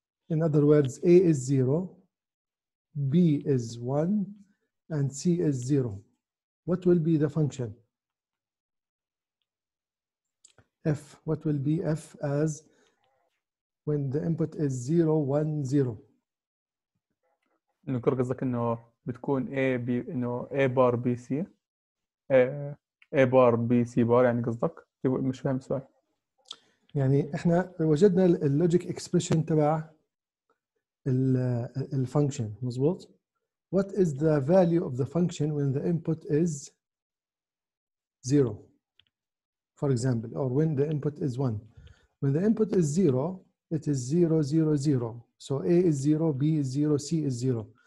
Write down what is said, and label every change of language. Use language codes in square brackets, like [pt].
[en] In other words, a is 0, b is 1. And C is 0. What will be the function? F. What will be F as when the input is 0, 1, 0? [ar] الكور قصدك انه بتكون A B انه A بار B C A بار B C بار يعني قصدك؟ مش فاهم السؤال. يعني احنا وجدنا اللوجيك اكسبريشن تبع الفانكشن مظبوط. [en] What is the value of the function when the input is zero, for example, or when the input is one? When the input is zero, it is zero, zero, zero. So A is zero, B is zero, C is zero.